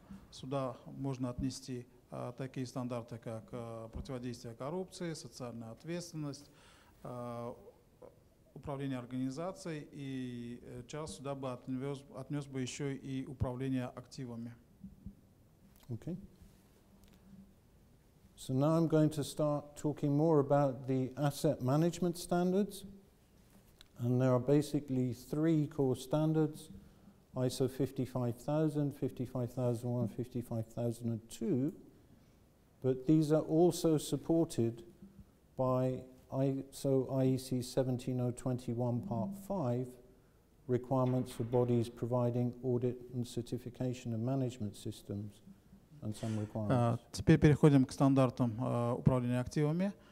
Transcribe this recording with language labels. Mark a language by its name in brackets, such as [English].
[Russian] Сюда можно отнести такие стандарты, как противодействие коррупции, социальная ответственность, управление организацией, и Чарльз сюда бы отнес бы еще и управление активами. [English] Okay. So now I'm going to start talking more about the asset management standards. And there are basically three core standards: ISO 55000, 55001, 55002, but these are also supported by ISO IEC 17021 Part 5 requirements for bodies providing audit and certification of management systems and some requirements. [Russian] Теперь переходим к стандартам управления активами.